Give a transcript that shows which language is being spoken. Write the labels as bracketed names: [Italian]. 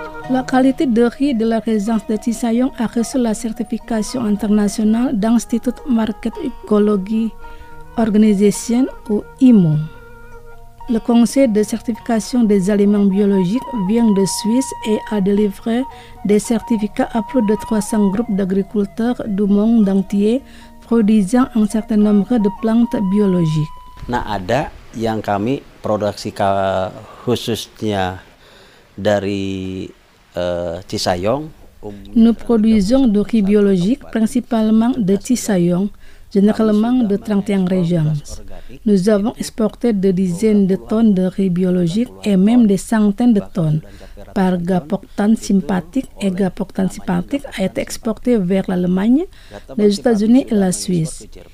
[French] La qualité de riz de la résidence de Cisayong a reçu la certification internationale d'Institut Market Ecology Organization ou IMO. Le conseil de certification des aliments biologiques vient de Suisse et a délivré des certificats à plus de 300 groupes d'agriculteurs du monde entier produisant un certain nombre de plantes biologiques. [Indonesian] Nah, ada yang kami produksi khususnya dari Cisayong. [French] Nous produisons du riz biologique principalement de Cisayong, généralement de 31 régions. Nous avons exporté des dizaines de tonnes de riz biologique et même des centaines de tonnes. Par gapoctan sympathique et gapoctan sympathique a été exporté vers l'Allemagne, les États-Unis et la Suisse.